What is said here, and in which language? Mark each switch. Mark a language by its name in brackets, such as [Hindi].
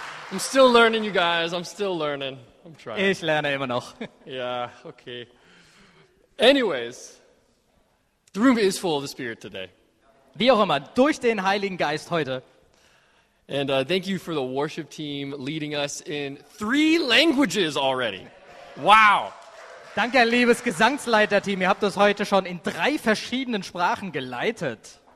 [English] I'm still learning, you guys. I'm still learning. I'm trying. [German] Ich lerne immer noch. [English] Yeah, okay. Anyways, the room is full of the Spirit today. [German] Wie auch immer, durch den Heiligen Geist heute. [English] And thank you for the worship team leading us in 3 languages already. Wow. [German] Danke, liebes Gesangsleiterteam. Ihr habt uns heute schon in 3 verschiedenen Sprachen geleitet.